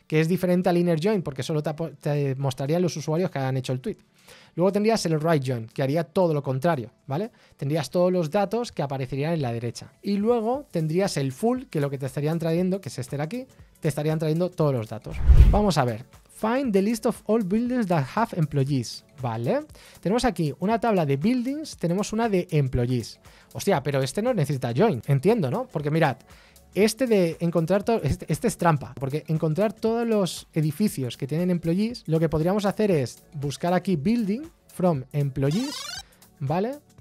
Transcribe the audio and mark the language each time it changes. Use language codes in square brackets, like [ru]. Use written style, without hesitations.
[es] Que es diferente al inner join, porque solo te mostrarían los usuarios que hayan hecho el tweet. Luego tendrías el right join, que haría todo lo contrario, ¿vale? Tendrías todos los datos que aparecerían en la derecha. Y luego tendrías el full, que lo que te estarían trayendo, que es este de aquí, te estarían trayendo todos los datos. Vamos a ver. [en] Find the list of all buildings that have employees, ¿vale? [es] Tenemos aquí una tabla de buildings, tenemos una de employees. Hostia, pero este no necesita join, entiendo, ¿no? Porque mirad, este de encontrar todo, este es trampa, porque encontrar todos los edificios que tienen employees, lo que podríamos hacer es buscar aquí building from employees, ¿vale?